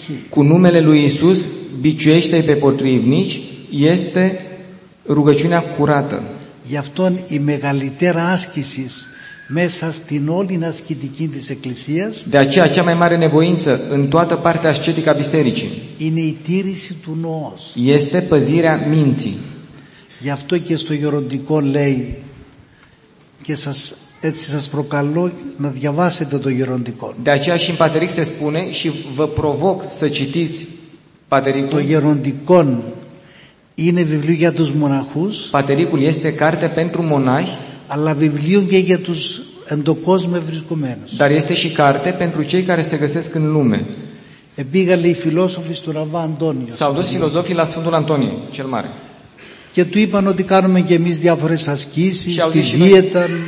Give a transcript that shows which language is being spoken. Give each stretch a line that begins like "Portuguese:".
Romanian: Cu numele lui Iisus biciuiește-i pe potrivnici, este rugăciunea curată.
Greek: Γι' αυτόν η μεγαλύτερη άσκηση Μέσα στην όλη ασκητική της Εκκλησίας.
Romanian: De aceea cea mai mare nevoință în toată partea ascetică a bisericii.
Greek: Είναι η τήρηση του νόος.
Romanian: Este păzirea minții.
Greek: Γι' αυτό και στο γεροντικό λέει και σας, έτσι σας προκαλώ να διαβάσετε το γεροντικό.
Romanian: De aceea și în Pateric se spune și vă provoc să citiți Patericul.
Greek: Το γεροντικό είναι βιβλίο για τους μοναχούς.
Romanian: Patericul este carte pentru monahi.
Greek: Αλλά βιβλίο και για τους εντοκόσμιους βρισκομένους.
Romanian: Dar este și carte pentru cei care se găsesc în lume.
Greek: Επήγαλε οι φιλόσοφοι στον Αβά Αντώνιο.
Romanian: S-au dus filozofii la Sfântul Antonie, cel mare.
Greek: Και του είπαν ότι κάνουμε και εμείς διάφορες ασκήσεις, στη δίαιτα,